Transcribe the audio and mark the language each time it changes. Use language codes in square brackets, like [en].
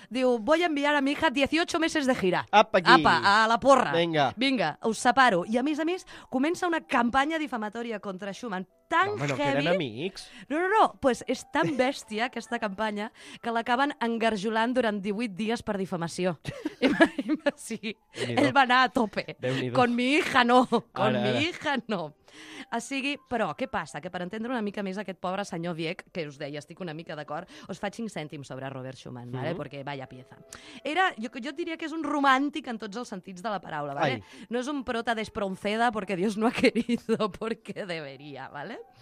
[es] Diu, voy a enviar a mi hija 18 meses de gira. Apa, aquí. Apa, a la porra. Venga. [ca] Vinga, us separo. I a més, comença una campanya difamatòria contra Schumann tan heavy... No, que eren amics. No, pues és tan bèstia aquesta campanya que l'acaben engarjolant durant 18 dies per difamació. Sí, ell va anar a tope. [es] Con mi hija no, con mi hija no. [ca] O sigui, però què passa? Que per entendre una mica més aquest pobre senyor Wieck, que us deia, estic una mica d'acord, us faig 5 cèntims sobre Robert Schumann, vale? Perquè [es] vaya pieza. [ca] Era, jo et diria que és un romàntic en tots els sentits de la paraula, vale? No és un prota [es] despronceda porque Dios no ha querido, porque debería, vale?